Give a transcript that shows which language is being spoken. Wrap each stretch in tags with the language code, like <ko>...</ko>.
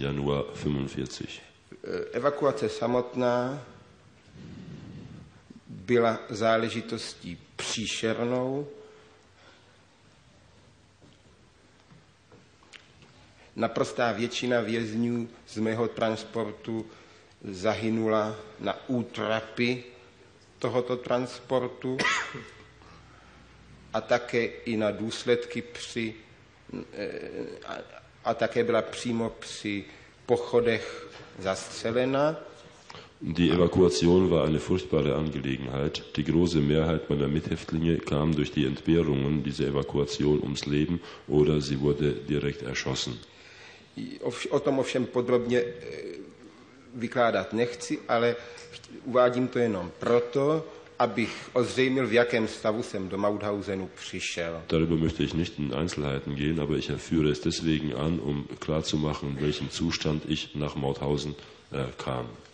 <de>Januar 45.</de> <cs>Evakuace samotná byla záležitostí příšernou. Naprostá většina vězňů z mého transportu zahynula na útrapy tohoto transportu a také i na důsledky při a také byla přímo při pochodech zastřelena.</cs> <de>Die Evakuation war eine furchtbare Angelegenheit. Die große Mehrheit meiner Mithäftlinge kam durch die Entbehrungen dieser Evakuation ums Leben oder sie wurde direkt erschossen.</de> <cs>O tom ovšem podrobně vykládat nechci, ale uvádím to jenom proto, abych ozřejmil, v jakém stavu jsem do Mauthausenu přišel.</cs> <de>Darüber möchte ich nicht in Einzelheiten gehen, aber ich erführe es deswegen an, um klarzumachen, in welchem Zustand ich nach Mauthausen kam.</de>